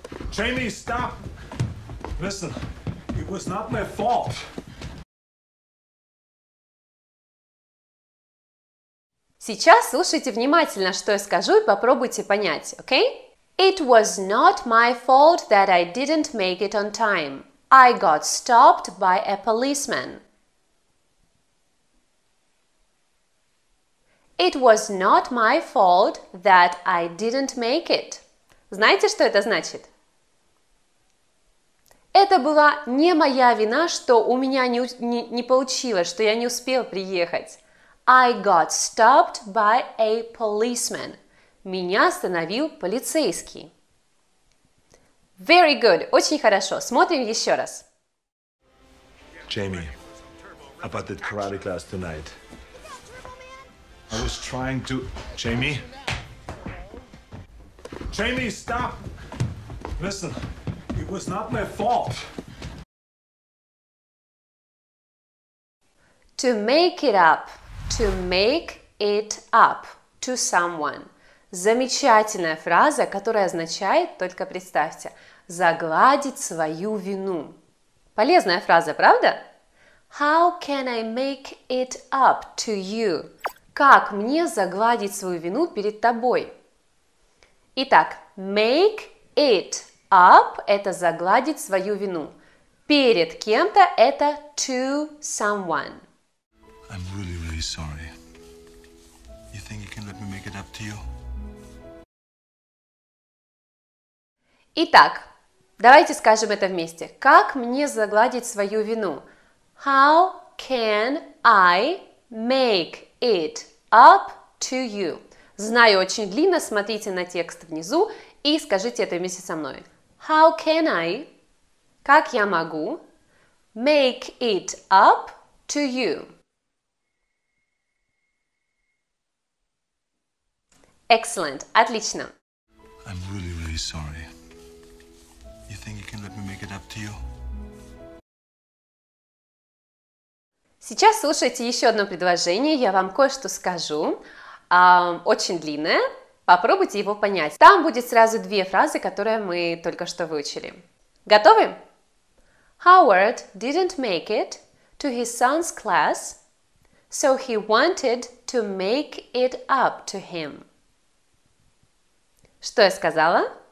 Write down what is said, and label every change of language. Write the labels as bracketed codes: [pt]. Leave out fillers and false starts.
[en] Jamie, stop! Listen, it was not my fault. [ru] Сейчас слушайте внимательно, что я скажу, и попробуйте понять, окей? [en] It was not my fault that I didn't make it on time. I got stopped by a policeman. It was not my fault that I didn't make it. [ru] Знаете, что это значит? Это была не моя вина, что у меня не получилось, что я не успел приехать. [en] I got stopped by a policeman. [ru] Меня остановил полицейский. [en] Very good. [ru] Очень хорошо. Смотрим еще раз. [en] Jamie, about that karate class tonight. I was trying to... Jamie? Jamie, stop! Listen, it was not my fault. To make it up. To make it up to someone. [ru] Замечательная фраза, которая означает, только представьте, загладить свою вину. Полезная фраза, правда? [en] How can I make it up to you? [ru] Как мне загладить свою вину перед тобой? Итак, [en] make it up [ru] – это загладить свою вину. Перед кем-то – это [en] to someone. I'm really, really sorry. You think you can let me make it up to you? [ru] Итак, давайте скажем это вместе. Как мне загладить свою вину? [en] How can I make it up to you? [ru] Знаю, очень длинно, смотрите на текст внизу и скажите это вместе со мной. [en] How can I, [ru] как я могу, [en] make it up to you? Excellent, [ru] отлично. [en] I'm really, really sorry. You think you can let me make it up to you? [ru] Сейчас слушайте еще одно предложение, я вам кое-что скажу, очень длинное, попробуйте его понять. Там будет сразу две фразы, которые мы только что выучили. Готовы? [en] Howard didn't make it to his son's class, so he wanted to make it up to him. [ru] Что я сказала?